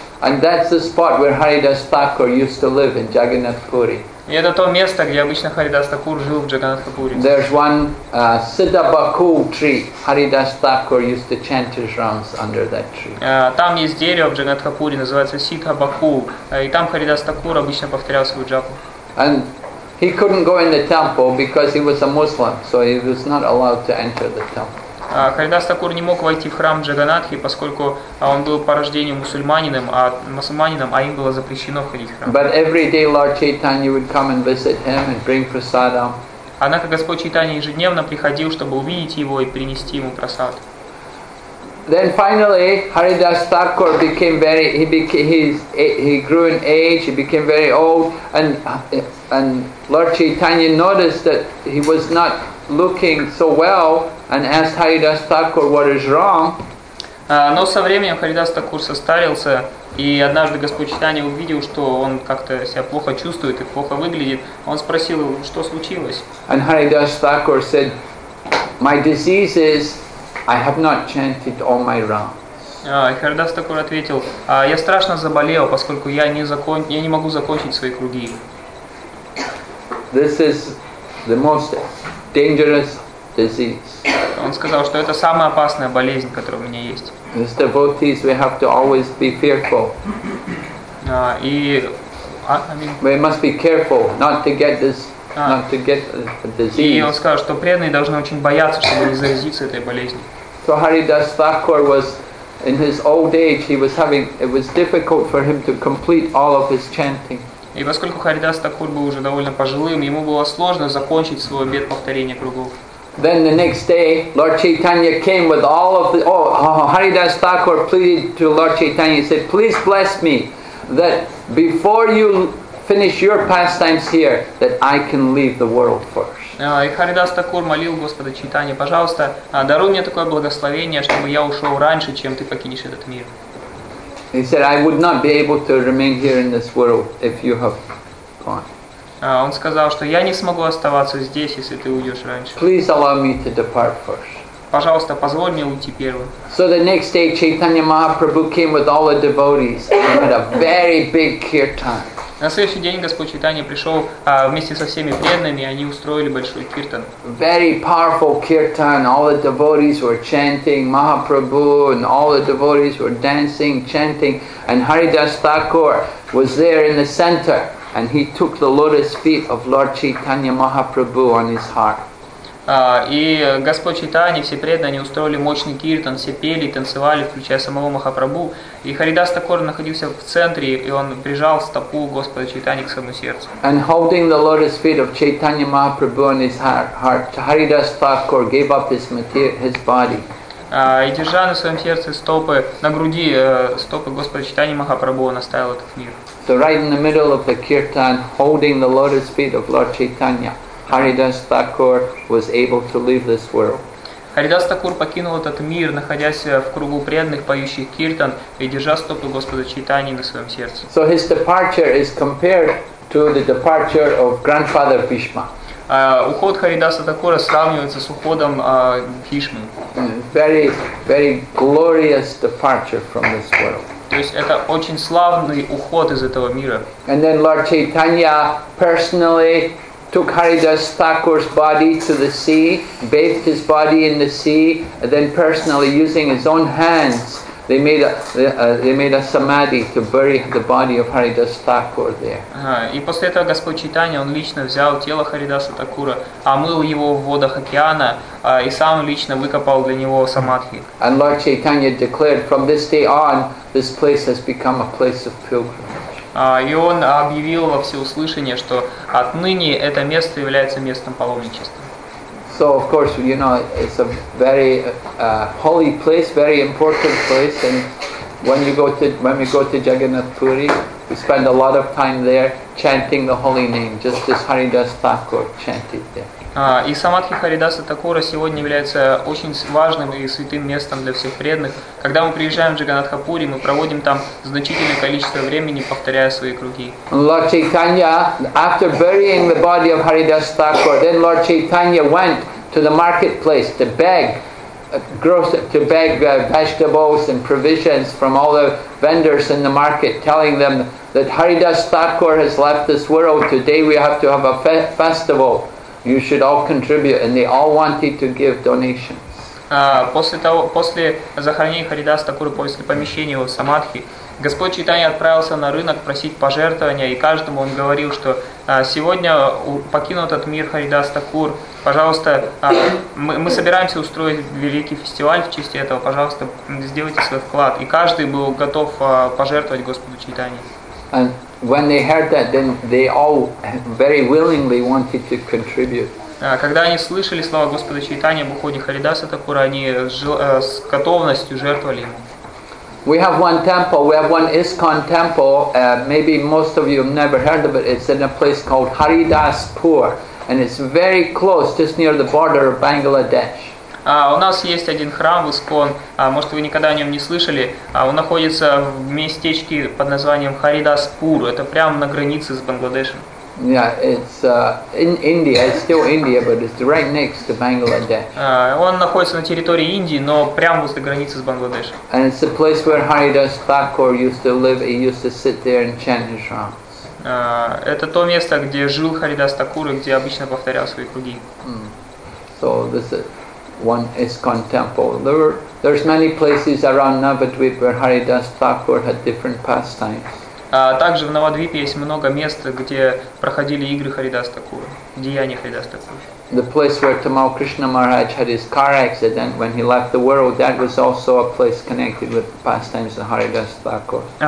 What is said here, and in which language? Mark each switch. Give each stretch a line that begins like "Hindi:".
English: And that's the spot where Haridas Thakur used to live in Jagannath Puri.
Russian: И это то место, где обычно Харидас Такур жил в Джаганатха Пури.
English: There's one Siddhabakul tree. Haridas Thakur used to chant his rounds under that tree.
Russian: Там есть дерево в Джаганатха Пури, называется Siddhabakul, и там Харидас Такур обычно повторял свою джапу.
English: And he couldn't go in the temple because he was a Muslim, so he was not allowed to enter the temple.
Russian: Харидас Такур не мог войти в храм Джаганатхи, поскольку он был по рождению мусульманином, а им было запрещено входить в храм.
English: But every day Lord Chaitanya would come and visit him and bring prasadam.
Russian: Однако Господь Чайтанья ежедневно приходил, чтобы увидеть его и принести ему прасад.
English: Then finally Haridas Thakur grew in age, he became very old, and Lord Chaitanya noticed that he was not looking so well. And asked Haridas Thakur what is wrong.
Russian: Но со временем Харидас Такур состарился, и однажды Господь Чайтанья увидел, что он как-то себя плохо чувствует и плохо выглядит. Он спросил, что случилось.
English: And Haridas Thakur said, my disease is I have not chanted all my rounds.
Russian: И Харидас Такур ответил, я страшно заболел, поскольку я не могу закончить свои круги.
English: This is the most dangerous disease.
Russian: Он сказал, что это самая опасная болезнь, которая у меня есть.
English: As devotees, we have to always be fearful. We must be careful not to get this, not to get the disease.
Russian: И он сказал, что преданные должны очень бояться, чтобы не заразиться этой болезнью.
English: So Haridas Thakur was in his old age. It was difficult for him to complete all of his chanting.
Russian: И поскольку Харидас Такур был уже довольно пожилым, ему было сложно закончить свой обет повторения кругов.
English: Then the next day, Lord Chaitanya came with all of the... Haridas Thakur pleaded to Lord Chaitanya, he said, please bless me that before you finish your pastimes here, that I can leave the world first.
Russian: И Харидас Такур молил Господа Чайтанья, пожалуйста, даруй мне такое благословение, чтобы я ушел раньше, чем ты покинешь этот мир.
English: He said, I would not be able to remain here in this world if you have gone.
Russian: Он сказал, что я не смогу оставаться здесь, если ты уйдешь раньше.
English: Please allow me to depart first.
Russian: Пожалуйста, позволь мне уйти первым.
English: So the next day, Chaitanya Mahaprabhu came with all the devotees and had a very big kirtan.
Russian: На следующий день Господь Чайтанья пришел вместе со всеми преданными, и они устроили большой киртан.
English: Very powerful kirtan. All the devotees were chanting Mahaprabhu, and all the devotees were dancing, chanting, and Haridas Thakur was there in the center. And he took the lotus feet of Lord Chaitanya Mahaprabhu on his heart.
Russian: И Господь Чайтанья, все преданные, они устроили мощный киртан, все пели, танцевали, включая самого Махапрабху. И Харидас Такур находился в центре, и он прижал стопу Господа Чайтаньи к своему сердцу.
English: And holding the lotus feet of Chaitanya Mahaprabhu on his heart, Haridas Thakur gave up his body.
Russian: и держа на своем сердце стопы, на груди стопы Господа Чайтаньи Махапрабху, он оставил этот мир.
English: So right in the middle of the kirtan, holding the lotus feet of Lord Chaitanya, Haridas Thakur was able to leave this world.
Russian: Харидас Такур покинул этот мир, находясь в кругу преданных, поющих киртан, и держа стопы Господа Чайтаньи на своем сердце.
English: So his departure is compared to the departure of grandfather Bhishma.
Russian: Уход Харидаса Такура сравнивается с уходом Бхишмы.
English: Very, very glorious departure from this world.
Russian: То есть это очень славный уход из этого мира.
English: And then Lord Chaitanya personally took Haridas Thakur's body to the sea, bathed his body in the sea, and then personally using his own hands, they made a samadhi to bury the body of Haridas Thakur there.
Russian: И после этого Господь Чайтанья, он лично взял тело Харидаса Такура, омыл его в водах океана, и сам лично выкопал для него самадхи.
English: And Lord Chaitanya declared, from this day on, this place has become a place of pilgrimage.
Russian: И он объявил во всеуслышание, что отныне это место является местом паломничества.
English: So, of course, you know, it's a very holy place, very important place, and when we go to Jagannath Puri, we spend a lot of time there chanting the holy name, just as Haridas Thakur chanted there.
Russian: И самадхи Харидаса Такура сегодня является очень важным и святым местом для всех преданных. Когда мы приезжаем в Джаганатхапури, мы проводим там значительное количество времени, повторяя свои круги.
English: Lord Chaitanya, after burying the body of Haridas Thakur, then Lord Chaitanya went to the marketplace to beg vegetables and provisions from all the vendors in the market, telling them that Haridas Thakur has left this world. Today we have to have a festival. You should all contribute, and they all wanted to give donations.
Russian: После захоронения Харидаса Такура, после помещения его в самадхи, Господь Чайтанья отправился на рынок просить пожертвования, и каждому он говорил, что сегодня покинул этот мир Харидас Такур, пожалуйста, мы собираемся устроить великий фестиваль в честь этого, пожалуйста, сделайте свой вклад. И каждый был готов пожертвовать Господу Чайтанье.
English: When they heard that, then they all very willingly wanted to contribute.
Russian: Когда они слышали слова Господа Чайтанья об уходе Харидаса Такура, они с готовностью жертвовали ему.
English: We have one temple. We have one ISKCON temple. Maybe most of you have never heard of it. It's in a place called Haridaspur, and it's very close, just near the border of Bangladesh.
Russian: У нас есть один храм в ИСКОН, может вы никогда о нем не слышали, он находится в местечке под названием Харидаспур, это прямо на границе с Бангладешем.
English: Yeah, it's in India, it's still India, but it's right next to Bangladesh.
Russian: Он находится на территории Индии, но прямо возле границы с Бангладешем.
English: And it's the place where Haridas Thakur used to live, he used to sit there and chant his rounds.
Russian: Это то место, где жил Харидас Такур, где обычно повторял свои круги.
English: So this is one ISKCON temple. There's many places around Navadvip where Haridas Thakur had different pastimes.
Russian: Также в Навадвипе есть много мест, где проходили игры Харидас Такура, деяния Харидас Такура.
English: The place where Tamal Krishna Maharaj had his car accident when he left the world, that was also a place connected with pastimes of Haridas Thakur.